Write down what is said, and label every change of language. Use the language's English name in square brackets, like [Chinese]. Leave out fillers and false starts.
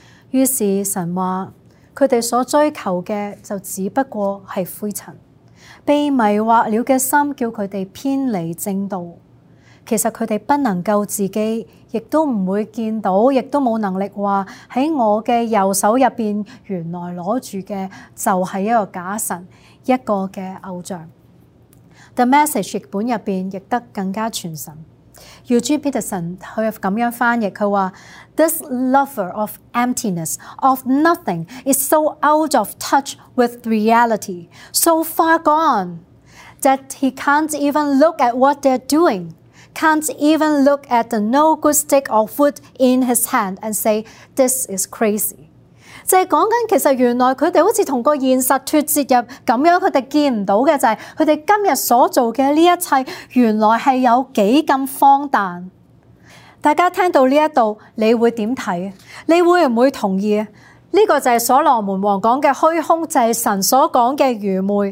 [Chinese] 于是神说，他们所追求的就只不过是灰尘，被迷惑了的心叫他们偏离正道。其实他们不能救自己，亦都不会见到，亦都没有能力说，在我的右手里面原来拿住的就是一个假神，一个的偶像。 [English] The Message [Chinese] 译本里面译得更加全神， [English] Eugene Peterson [Chinese] 他这样翻译，他说 [English] This lover of emptiness, of nothing, is so out of touch with reality, so far gone, that he can't even look at what they're doing, can't even look at the no good stick of wood in his hand and say, this is crazy. [Chinese] 就是说其实原来他们好像跟现实脱节，入这样他们见不到的，就是他们今天所做的这一切原来是有几咁荒诞。大家听到这里你会怎样看？你会不会同意？这个就是所罗门王讲的虚空，就是神所讲的愚昧。